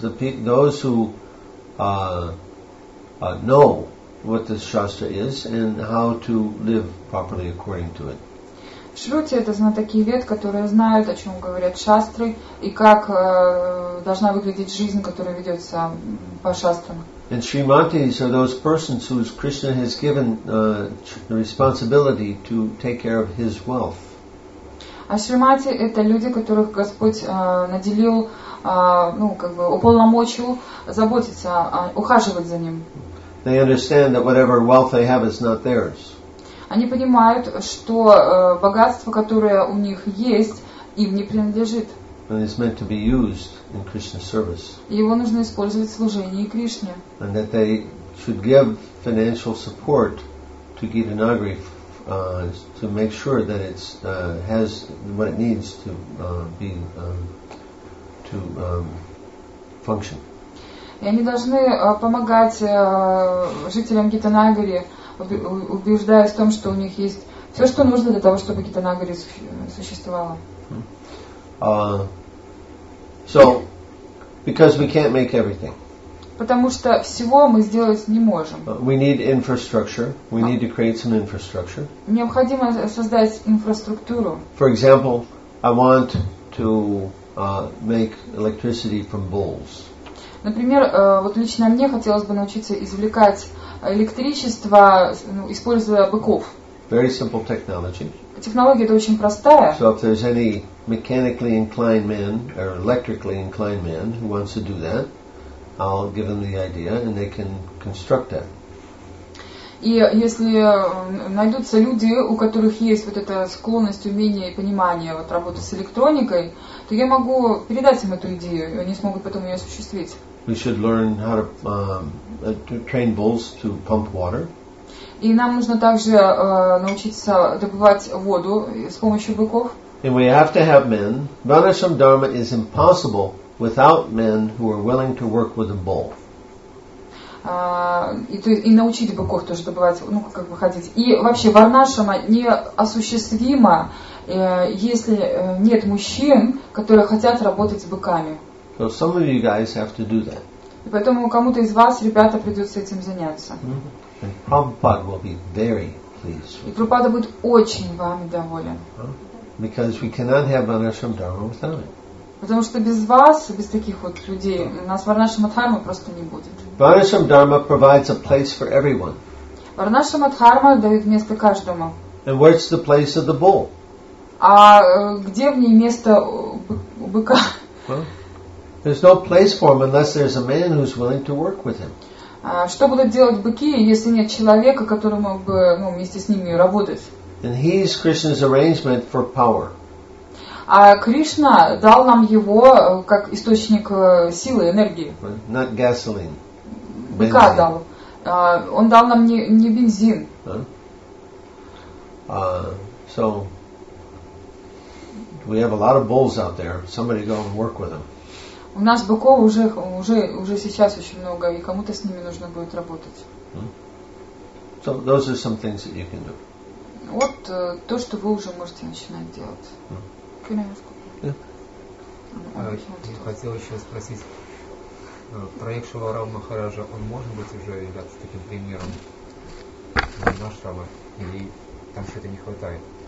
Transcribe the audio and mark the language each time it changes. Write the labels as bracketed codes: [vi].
[en] Those who know what this Shastra is and how to live properly according to it. [ru] Шрути — это знатоки вед, которые знают, о чем говорят шастры, и как должна выглядеть жизнь, которая ведется по шастрам. [en] And Shrimatis are those persons whose Krishna has given the responsibility to take care of his wealth. [ru] А Шримати — это люди, которых Господь наделил, ну, как бы, уполномочил заботиться, ухаживать за ним. [en] They understand that whatever wealth they have is not theirs. [ru] Они понимают, что богатство, которое у них есть, им не принадлежит. [en] And it's meant to be used in Krishna's service. [ru] Его нужно использовать в служении Кришне. [en] And that they should give financial support to Gita Nagari to make sure that it has what it needs to be to function. [ru] И они должны помогать жителям Гита Нагари, убеждаясь в том, что у них есть все, что нужно для того, чтобы Гита Нагари существовала. [en] So, because we can't make everything. [ru] Потому что всего мы сделать не можем. [en] We need infrastructure. We need to create some infrastructure. [ru] Необходимо создать инфраструктуру. [en] For example, I want to make electricity from bulls. [ru] Например, вот лично мне хотелось бы научиться извлекать электричество, используя быков. [en] Very simple technology. [ru] Технология это очень простая. [en] So if there's any mechanically inclined man or electrically inclined man who wants to do that, I'll give them the idea and they can construct that. [ru] И если найдутся люди, у которых есть вот эта склонность, умение и понимание вот работы с электроникой, то я могу передать им эту идею, и они смогут потом ее осуществить. [en] We should learn how to train bulls to pump water. [ru] И нам нужно также научиться добывать воду с помощью быков. [en] And we have to have men. Vanasham Dharma is impossible without men who are willing to work with a bull. [ru] И научить быков тоже добывать, ну, как бы ходить. И вообще Варнашама неосуществимо, если нет мужчин, которые хотят работать с быками. [en] So some of you guys have to do that. [ru] И поэтому кому-то из вас, ребята, придется этим заняться. [en] Mm-hmm. And Prabhupada will be very pleased. [ru] И Прабхупада будет очень вами доволен. Uh-huh. [en] Because we cannot have Varnashram Dharma without it. [ru] Потому что без вас, без таких вот людей, у нас Варнашама Дхарма просто не будет. [en] Varnashram Dharma provides a place for everyone. [ru] Варнашама Дхарма дает место каждому. [en] And where's the place of the bull? [ru] А где в ней место у быка? [en] There's no place for him unless there's a man who's willing to work with him. [ru] Что будут делать быки, если нет человека, который мог бы, ну, вместе с ними работать? [en] And he's Krishna's arrangement for power. [ru] А Кришна дал нам его как источник силы, энергии. [en] Not gasoline. [ru] Быка дал. Он дал нам не бензин. [en] So we have a lot of bulls out there. Somebody go and work with them. [ru] У нас быков уже сейчас очень много, и кому-то с ними нужно будет работать. [en] So those are some things that you can do. [ru] Вот то, что вы уже можете начинать делать. [en] Can I ask? [ru] Я хотел еще спросить, проект Шиварам Махараджа, он может быть уже являться таким примером для Ашрама, или там что-то не хватает?